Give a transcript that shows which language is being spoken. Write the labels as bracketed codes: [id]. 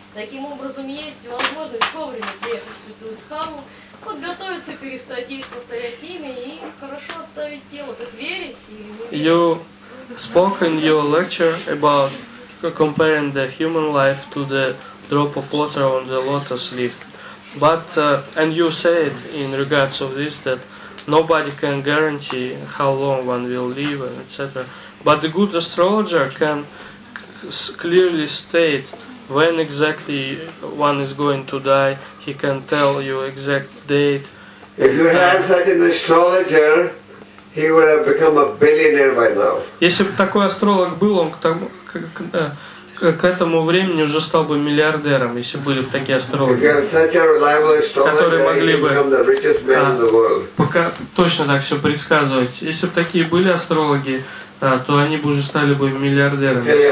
[ru] Таким образом, есть возможность вовремя приехать в святую Дхаму, подготовиться, перестать есть, повторять имя, и хорошо оставить тело. Так верить или не верить? [en] You spoke in your lecture about comparing the human life to the drop of water on the lotus leaf, but and you said in regards of this that nobody can guarantee how long one will live, etc. But the good astrologer can clearly state when exactly one is going to die. He can tell you exact date. If you had such an astrologer, he would have become a billionaire by now. [ru] Если бы такой астролог был, он к этому времени уже стал бы миллиардером, если были бы такие астрологи, которые могли бы точно так все предсказывать. Если бы такие были астрологи, то они бы уже стали бы миллиардерами.